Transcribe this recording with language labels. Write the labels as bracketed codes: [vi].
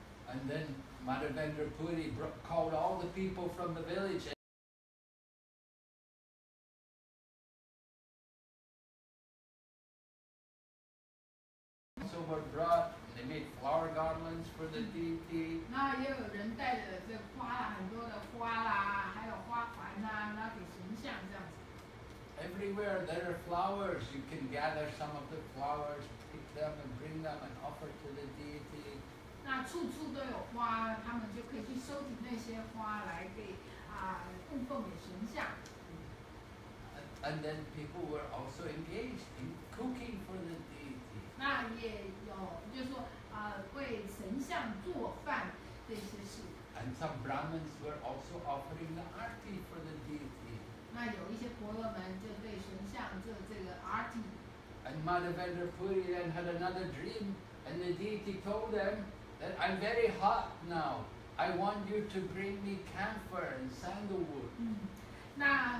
[en] And then Madhavendra Puri called all the people from the village. So were brought, and they made flower garlands for the deity. [zh] 那也有人带着这花啦，很多的花啦，还有花环啦，拿给神像这样子。 [en] Everywhere there are flowers, you can gather some of the flowers, pick them and bring them and offer to the deity. [zh] 那处处都有花，他们就可以去收集那些花来给供奉给神像。 [en] And then people were also engaged in cooking for the deity. [zh] 那也有，就是说，为神像做饭这些事。 [en] And some Brahmins were also offering the arti for the deity. [zh] 那有一些婆罗门就对神像做这个arti。 [en] And Madhavendra Puri then had another dream, and the deity told them, that I'm very hot now. I want you to bring me camphor and sandalwood.